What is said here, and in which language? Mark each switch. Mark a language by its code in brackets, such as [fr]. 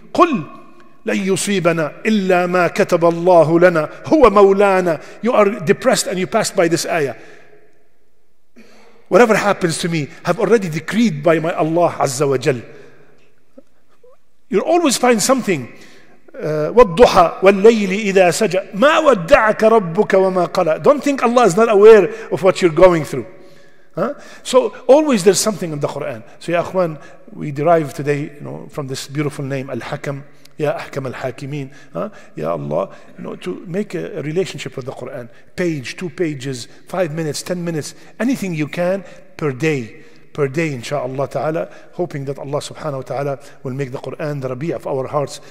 [ar] قُلْ لَنْ يُصِيبَنَا إِلَّا مَا كَتَبَ اللَّهُ لَنَا هُوَ مَوْلَانَا. [en] You are depressed and you passed by this ayah. Whatever happens to me, have already decreed by my Allah Azza wa Jal. You'll always find something. [ar] والضحى والليل إذا سجى ما ودعك ربك وما قلى. [en] Don't think Allah is not aware of what you're going through. So always there's something in the Quran. So Ya Akhwan, we derive today, you know, from this beautiful name Al-Hakam, Ya Ahkam Al-Hakimin, Ya Allah, you know, to make a relationship with the Quran. Page, 2 pages, 5 minutes, 10 minutes, anything you can per day, insha'Allah ta'ala, hoping that Allah subhanahu wa ta'ala will make the Qur'an the rabi' of our hearts.